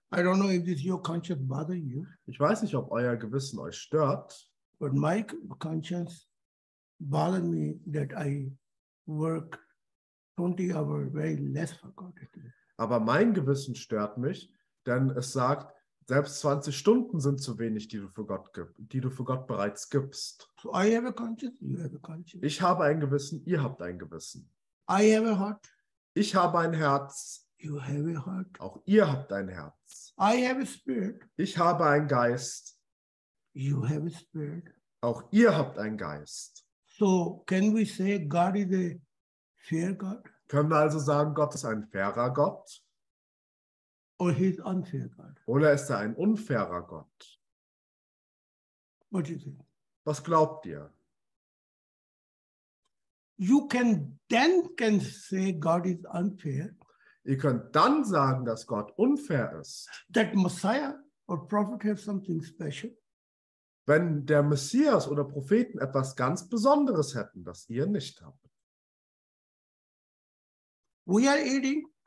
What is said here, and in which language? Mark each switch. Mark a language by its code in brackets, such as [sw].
[en] I don't know if this your conscience bother you. [de] Ich weiß nicht, ob euer Gewissen euch stört. [en] But my conscience bother me that I work 20 hours very less for God. [de] Aber mein Gewissen stört mich, denn es sagt, selbst 20 Stunden sind zu wenig, die du für Gott bereits gibst. [en] So I have a conscience, you have a conscience. [de] Ich habe ein Gewissen, ihr habt ein Gewissen. [en] I have a heart. [de] Ich habe ein Herz. [en] You have a heart. [de] Auch ihr habt ein Herz. [en] I have a spirit. [de] Ich habe einen Geist. [en] You have a spirit. [de] Auch ihr habt einen Geist. [en] So can we say God is a fair God? [de] Können wir also sagen, Gott ist ein fairer Gott? [en] Or he is unfair God? [de] Oder ist er ein unfairer Gott? [en] What do you think? [de] Was glaubt ihr? [en] You can then can say God is unfair. [de] Ihr könnt dann sagen, dass Gott unfair ist. [en] That Messiah or prophet has something special. [de] Wenn der Messias oder Propheten etwas ganz Besonderes hätten, das ihr nicht habt. [en] We are eating.